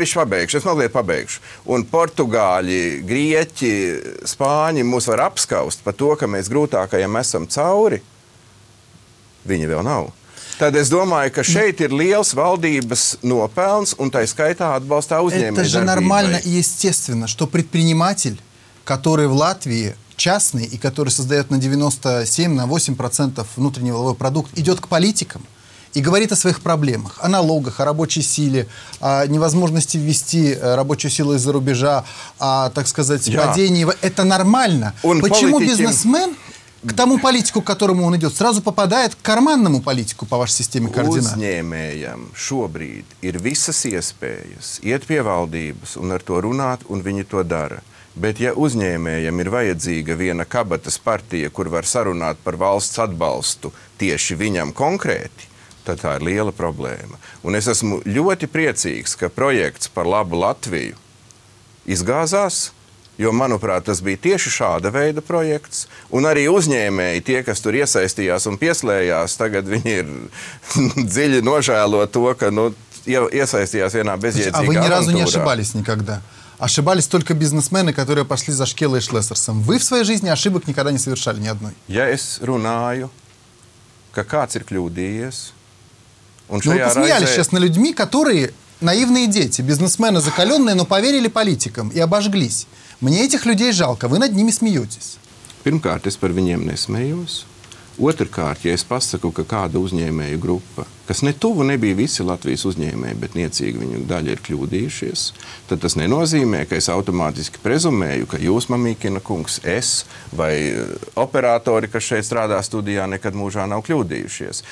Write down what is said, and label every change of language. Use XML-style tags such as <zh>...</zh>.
<lv>Es mazliet pabeigšu. Un portugāļi, grieķi, spāņi mūs var apskaust par to, ka mēs grūtākajam esam cauri. Viņi vēl nav. Tad es domāju, ka šeit ir liels valdības nopelns un tai skaitā atbalstā uzņēmēja darbība.</lv> <ru>Это же нормально и естественно, что предприниматель, который в Латвии частный и который создает на 97-8% внутренний валовой продукт, идет к политикам и говорит о своих проблемах, о налогах, о рабочей силе, о невозможности ввести рабочую силу из-за рубежа, о, так сказать, падении. Это нормально. Почему бизнесмен к тому политику, к которому он идет, сразу попадает к карманному политику по вашей системе координат?</ru> <lv>Uzņēmējam šobrīd ir visas iespējas iet pie valdības un ar to runāt, un viņi to dara. Bet ja uzņēmējam ir vajadzīga viena kabatas partija, kur var sarunāt par valsts atbalstu tieši viņam konkrēti, tad tā ir liela problēma. Un es esmu ļoti priecīgs, ka projekts par labu Latviju izgāzās, jo, manuprāt, tas bija tieši šāda veida projekts. Un arī uzņēmēji, tie, kas tur iesaistījās un pieslējās, tagad viņi ir dziļi nožēlo to, ka nu, iesaistījās vienā bezjēdzīgā avantūrā.</lv> <ru>Vi nerazu nešibalis nekādā. Ошибались только бизнесмены, которые пошли за Шкелой и Шлессерсом. Вы в своей жизни ошибок никогда не совершали ни одной.</ru> <lv>Я es runāju, ka kāds ir kļūdījies. Un šajā raizē...</lv> <ru>Ну, вы посмеялись сейчас на людьми, которые наивные дети, бизнесмены закаленные, но поверили политикам и обожглись. Мне этих людей жалко, вы над ними смеетесь.</ru> <lv>Pirmkārt, es par viņiem nesmējos. Otrkārt, ja es pasaku, ka kāda uzņēmēja grupa, kas ne tuvu nebija visi Latvijas uzņēmēji, bet niecīgi viņu daļa ir kļūdījušies, tad tas nenozīmē, ka es automātiski prezumēju, ka jūs, Mamīkina kungs, es vai operatori, kas šeit strādā studijā, nekad mūžā nav kļūdījušies.</lv>